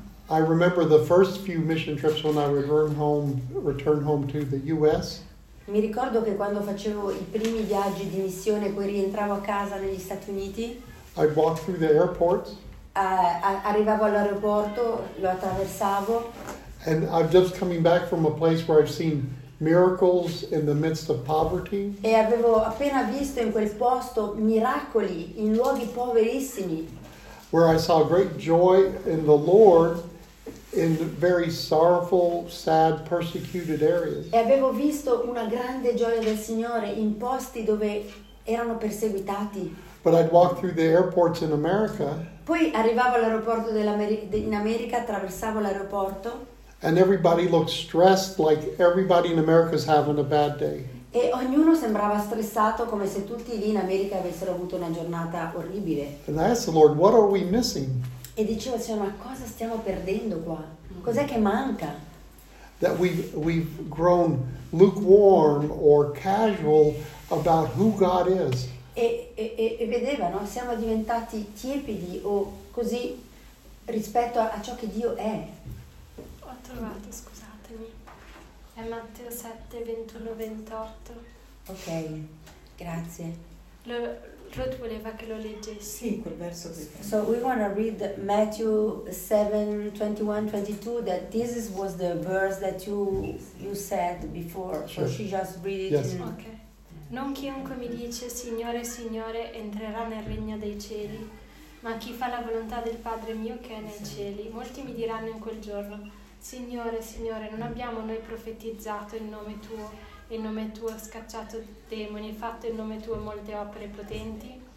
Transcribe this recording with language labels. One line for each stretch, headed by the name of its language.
English: I remember the first few mission trips when I returned home to the U.S.
Italian: Mi ricordo che quando facevo i primi viaggi di missione poi rientravo a casa negli Stati Uniti.
English: I walked through the airport.
Italian: Arrivavo all'aeroporto, lo attraversavo.
English: And I'm just coming back from a place where I've seen miracles in the midst of poverty.
Italian: E avevo appena visto in quel posto miracoli in luoghi poverissimi.
English: Where I saw great joy in the Lord in very sorrowful, sad, persecuted areas.
Italian: E avevo visto una grande gioia del Signore in posti dove erano perseguitati.
English: But I'd walk through the airports in America.
Italian: Poi arrivavo all'aeroporto in America, attraversavo l'aeroporto.
English: And everybody looked stressed, like everybody in America is having a bad day.
Italian: E ognuno sembrava stressato come se tutti lì in America avessero avuto una giornata orribile.
English: And I asked the Lord, what are we missing?
Italian: E dicevo al Signore, ma cosa stiamo perdendo qua? Cos'è che manca?
English: That we've grown lukewarm or casual about who God is.
Italian: E vedeva, no? Siamo diventati tiepidi o così rispetto a ciò che Dio è. Ho trovato, scusatemi. È Matteo 7, 21, 28. Ok, grazie. Ruth voleva che lo leggessi. Sì, quel verso che...
English: So we want to read Matthew 7, 21, 22, that this was the verse that you said before. Sure. So she just read it. Yes. Ok.
Italian: Non chiunque mi dice Signore, Signore entrerà nel regno dei cieli, ma chi fa la volontà del Padre mio che è nei cieli. Molti mi diranno in quel giorno, Signore, Signore, non abbiamo noi profetizzato in nome tuo scacciato demoni, fatto in nome tuo molte opere potenti?